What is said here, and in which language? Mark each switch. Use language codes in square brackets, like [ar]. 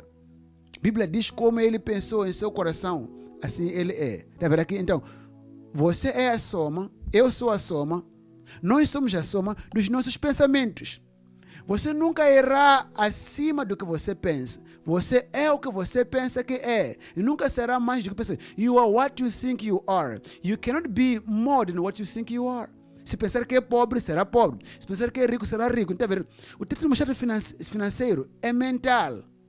[pt] A Bíblia diz como ele pensou em seu coração. Assim ele é. Está vendo aqui? Então, você é a soma, eu sou a soma, nós somos a soma dos nossos pensamentos. Você nunca irá acima do que você pensa. Você é o que você pensa que é. E nunca será mais do que pensa. [en] You are what you think you are. You cannot be more than what you think you are. [pt] Se pensar que é pobre, será pobre. Se pensar que é rico, será rico. Então, ver, o teu estado financeiro é mental.